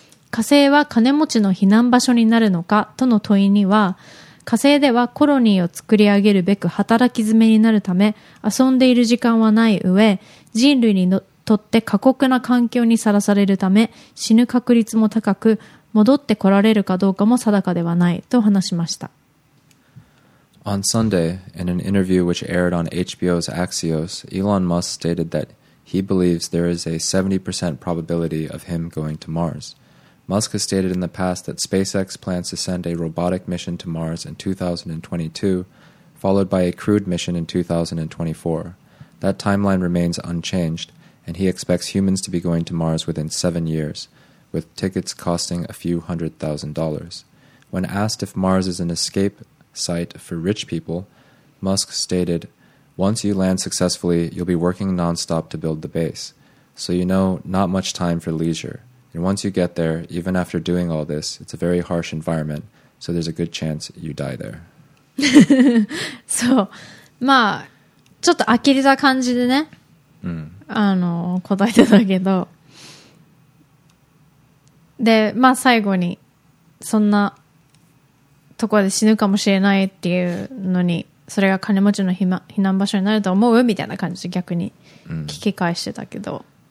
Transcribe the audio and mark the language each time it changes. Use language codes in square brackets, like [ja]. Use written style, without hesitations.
[ja] 火星は金持ちの避難場所になるのかとの問いには、火星ではコロニーを作り上げるべく働き詰めになるため、遊んでいる時間はない上、人類にとって過酷な環境にさらされるため、死ぬ確率も高く、戻ってこられるかどうかも定かではないと話しました。 [en] On Sunday, in an interview which aired on HBO's Axios, Elon Musk stated that he believes there is a 70% probability of him going to Mars. Musk has stated in the past that SpaceX plans to send a robotic mission to Mars in 2022, followed by a crewed mission in 2024. That timeline remains unchanged, and he expects humans to be going to Mars within 7 years, with tickets costing a few $100,000. When asked if Mars is an escape site for rich people, Musk stated, "Once you land successfully, you'll be working nonstop to build the base. So you know, not much time for leisure. And once you get there, even after doing all this, it's a very harsh environment. So there's a good chance you die there. [ja] そう。まあ、ちょっと呆れた感じでね。答えてたけど。で、まあ最後に、そんなところで死ぬかもしれないっていうのに、それが金持ちの避難場所になると思うみたいな感じで逆に聞き返してたけど。